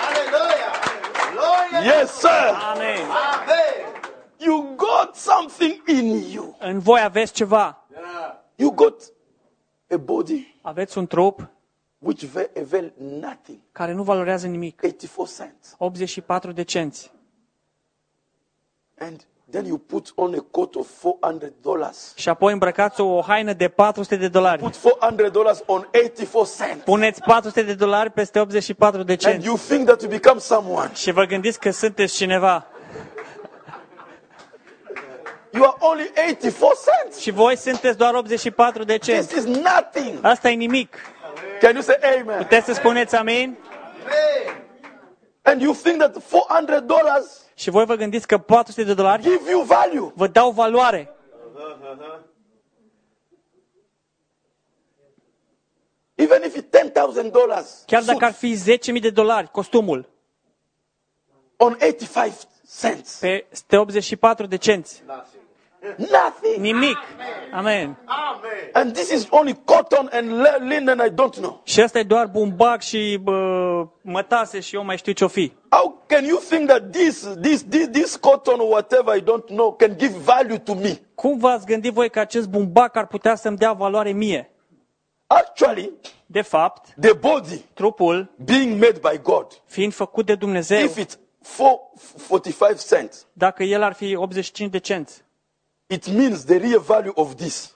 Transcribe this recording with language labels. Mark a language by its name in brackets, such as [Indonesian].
[English] Aleluia. Yes, sir. Amen. You got something in you. [Romanian] În voi aveți ceva. [English] Yeah. You got a body. [Romanian] Aveți un trup. [English] Which avail nothing. [Romanian] Care nu valorează nimic. [English] 84 cents. [Romanian] 84 de cenți. [English] And then you put on a coat of $400. [Romanian] Și apoi îmbrăcați o haină de $400. [English] Put $400 on 84 cents. [Romanian] Puneți $400 peste 84 de cenți. [English] And you think that you become someone. [Romanian] Și vă gândiți că sunteți cineva. [English] You are only 84 cents. [Romanian] Și voi sunteți doar 84 de cenți. [English] This is nothing. [Romanian] Asta e nimic. [English] Can you say amen? [Romanian] Puteți să spuneți amin? [English] And you think that $400? [Romanian] Și voi vă gândiți că $400? [English] Give you value. [Romanian] Vă dau valoare. [English] Even if it's $10,000. [Romanian] Chiar dacă ar fi $10,000 costumul. [English] On 85 cents. [Romanian] Pe 84 de cenți. [English] Nothing. [Romanian] Nimic. Amen. Amen. [English] And this is only cotton and linen, I don't know. [Romanian] Și asta e doar bumbac și mătase și eu mai știu ce o fi. [English] How can you think that this cotton or whatever I don't know can give value to me? [Romanian] Cum v-ați gândit voi că acest bumbac ar putea să-mi dea valoare mie? [English] Actually, [Romanian] de fapt, [English] the body, [Romanian] trupul, [English] being made by God, [Romanian] fiind făcut de Dumnezeu. [English] If it's 45 cents, [Romanian] dacă el ar fi 85 de cenți, [English] it means the real value of this.